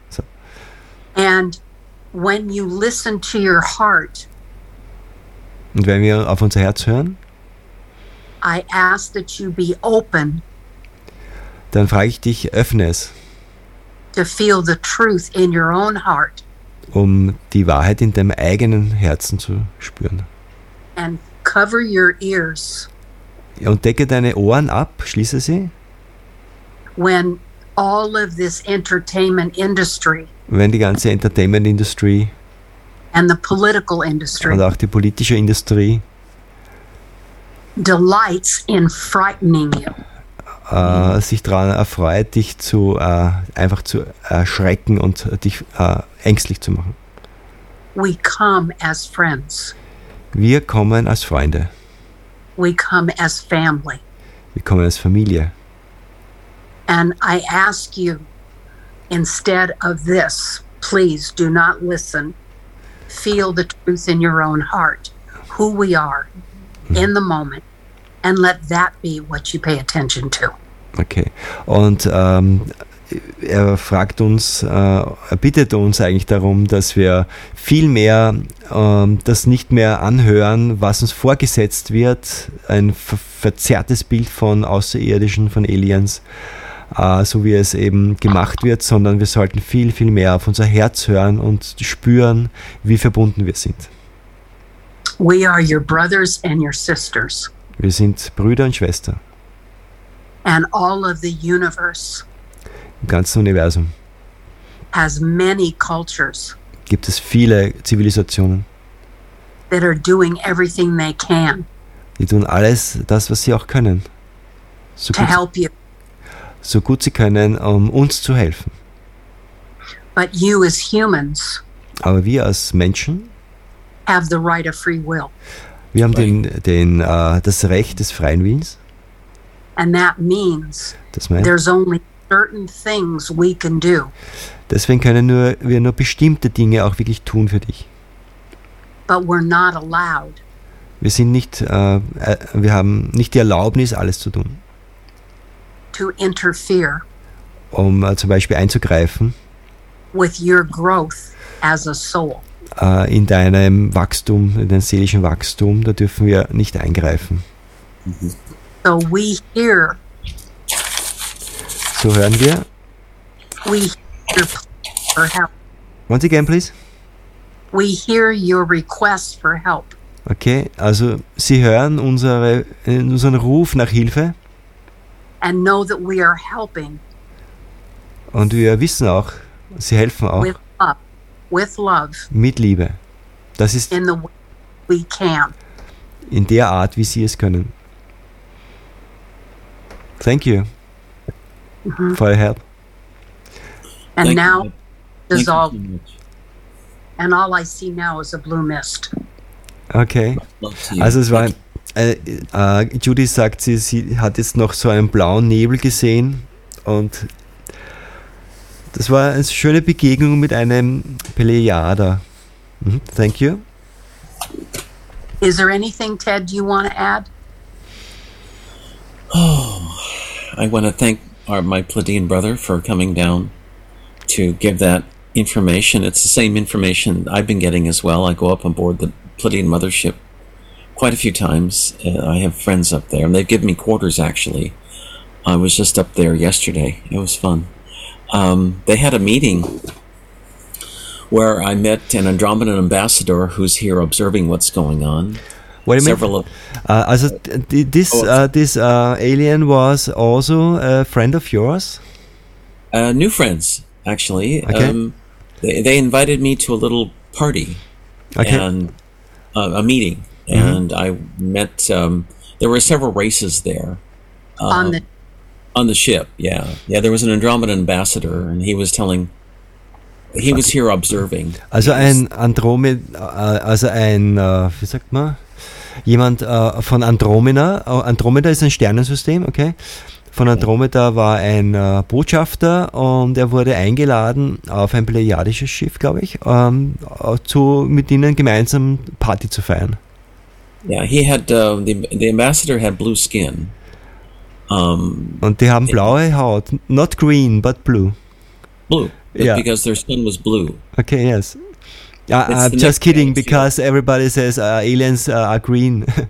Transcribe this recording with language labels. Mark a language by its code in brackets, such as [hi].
[en] So. And when you listen to your heart. [de] Und wenn wir auf unser Herz hören. [en] I ask that you be open. [de] Dann frage ich dich, öffne es. [en] To feel the truth in your own heart. [de] Um die Wahrheit in deinem eigenen Herzen zu spüren. [en] And cover your ears. [de] Und decke deine Ohren ab, schließe sie. [en] When all of this entertainment industry. [de] Wenn die ganze Entertainment Industrie. [en] And the political industry. [de] Und auch die politische Industrie. [en] Delights in frightening you. [de] Sich daran erfreut, dich zu einfach zu erschrecken und dich ängstlich zu machen. [en] We come as friends. [de] Wir kommen als Freunde. [en] We come as family. [de] Wir kommen als Familie. [en] And I ask you, instead of this, please do not listen. Feel the truth in your own heart, who we are, in the moment, and let that be what you pay attention to. [de] Okay, und er fragt uns, er bittet uns eigentlich darum, dass wir viel mehr das nicht mehr anhören, was uns vorgesetzt wird, ein verzerrtes Bild von Außerirdischen, von Aliens, so wie es eben gemacht wird, sondern wir sollten viel, viel mehr auf unser Herz hören und spüren, wie verbunden wir sind. [en] We are your brothers and your sisters. [de] Wir sind Brüder und Schwestern. [en] And all of the universe. [de] Im ganzen Universum. [en] Has many cultures. [de] Gibt es viele Zivilisationen. [en] That are doing everything they can. [de] Die tun alles, das was sie auch können. [en] So to gut, help you. [de] So gut sie können, um uns zu helfen. [en] But you as humans. [de] Aber wir als Menschen. [en] Have the right of free will. [de] Wir haben das Recht des freien Willens. [en] And that means there's only certain things we can do. [de] Deswegen können wir nur bestimmte Dinge auch wirklich tun für dich. [en] But we're not allowed. [de] Wir haben nicht die Erlaubnis, alles zu tun. [en] To interfere. [de] Um zum Beispiel einzugreifen. [en] With your growth as a soul. [de] In deinem Wachstum, in deinem seelischen Wachstum, da dürfen wir nicht eingreifen. [en] Mhm. So we hear. [de] So hören wir. [en] We hear for help. Once again, please. We hear your request for help. [de] Okay, also Sie hören unseren Ruf nach Hilfe. [en] And know that we are helping. [de] Und wir wissen auch, Sie helfen auch. [en] With love. [de] Mit Liebe. Das ist [en] in the way we can. [de] In der Art, wie Sie es können. [en] Thank you for your help. And thank now dissolve. So and all I see now is a blue mist. Okay. [de] Also es war, Judy sagt, sie hat jetzt noch so einen blauen Nebel gesehen und das war eine schöne Begegnung mit einem Pleiader. [en] Thank you. Is there anything, Ted, you want to add? I want to thank my Pleiadian brother for coming down to give that information. It's the same information I've been getting as well. I go up on board the Pleiadian mothership quite a few times. I have friends up there, and they've given me quarters, actually. I was just up there yesterday. It was fun. They had a meeting where I met an Andromedan ambassador who's here observing what's going on. Wait a minute. This alien was also a friend of yours? New friends, actually. Okay. They invited me to a little party, okay, and a meeting, mm-hmm, and I met. There were several races there. On the ship, yeah, yeah. There was an Andromeda ambassador, and he was telling. He was here observing. [de] Also ein Andromeda, also ein, wie sagt man, jemand von Andromeda. Andromeda ist ein Sternensystem, okay. Von Andromeda war ein Botschafter und er wurde eingeladen auf ein plejadisches Schiff, glaube ich, mit ihnen gemeinsam Party zu feiern. [en] Yeah, he had the ambassador had blue skin. [de] Und die haben blaue Haut, [en] not green, but blue. Blue. Yeah. Because their skin was blue. Okay, yes. I'm just kidding, because here everybody says aliens are green.